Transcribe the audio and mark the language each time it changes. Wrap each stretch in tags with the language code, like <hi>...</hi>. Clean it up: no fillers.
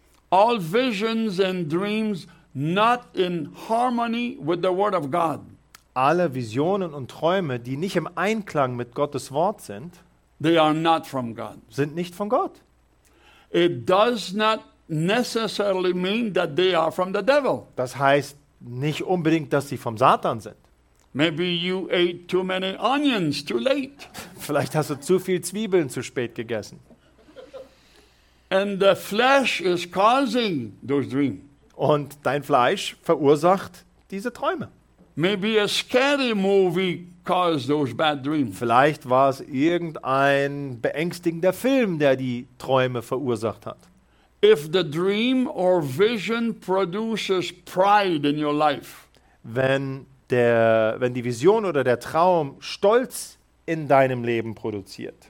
<en>All visions and dreams not in harmony with the word of God.</en> <de>Alle Visionen und Träume, die nicht im Einklang mit Gottes Wort sind,</de> <en>they are not from God.</en> <de>Sind nicht von Gott.</de> <en>It does not necessarily mean that they are from the devil.</en> <de>Das heißt nicht unbedingt, dass sie vom Satan sind.</de> <en>Maybe you ate too many onions too late.</en> <de>Vielleicht hast du zu viel Zwiebeln zu spät gegessen.</de> <en>And the flesh is causing those dreams.</en> <de>Und dein Fleisch verursacht diese Träume.</de> <en>Maybe a scary movie caused those bad dreams.</en> <de>Vielleicht war es irgendein beängstigender Film, der die Träume verursacht hat.</de> <en>If the dream or vision produces pride in your life.</en> <de>Wenn die Vision oder der Traum Stolz in deinem Leben produziert.</de>